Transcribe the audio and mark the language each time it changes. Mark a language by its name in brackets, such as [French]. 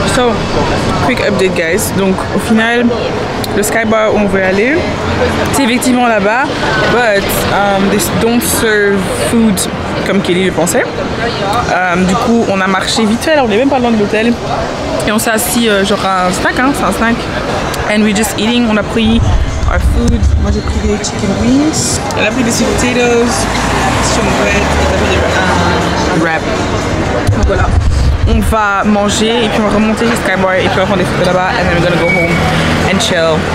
[English] So, quick update guys. [French] Donc au final, le Skybar où on veut aller, c'est effectivement là-bas. [English] But they don't serve food [French] comme Kelly le pensait. Du coup, on a marché vite fait, alors on est même pas loin de l'hôtel. Et on s'est assis genre un snack, hein, c'est un snack. [English] And we're just eating, [French] on a pris [English] our food. [French] Moi j'ai pris des chicken wings. Elle a pris des [English] sweet potatoes, some bread, [French] et après des wraps. Donc voilà. On va manger et puis on va remonter chez Skybar et puis on va prendre des photos là-bas. [English] And then we're gonna go home and chill.